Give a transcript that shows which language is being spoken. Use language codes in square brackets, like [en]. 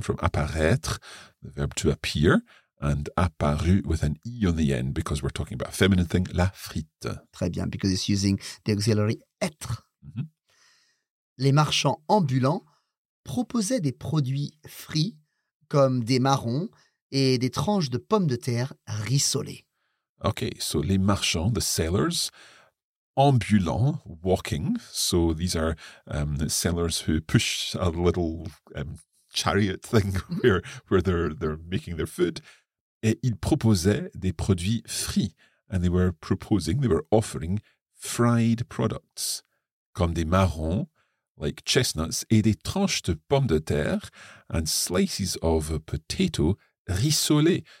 [en] From apparaître, the verb to appear, and apparu with an E on the end, because we're talking about a feminine thing, la frite. [fr] Très bien, [en] because it's using the auxiliary être. Mm-hmm. [fr] Les marchands ambulants proposaient des produits frits comme des marrons et des tranches de pommes de terre rissolées. [en] OK, so les marchands, the sellers, ambulants, walking. So these are the sellers who push a little chariot thing where they're making their food. [fr] Et ils proposaient des produits frits. [en] And they were proposing, they were offering fried products [fr] comme des marrons, [en] like chestnuts, [fr] et des tranches de pommes de terre [en] and slices of a potato rissolé.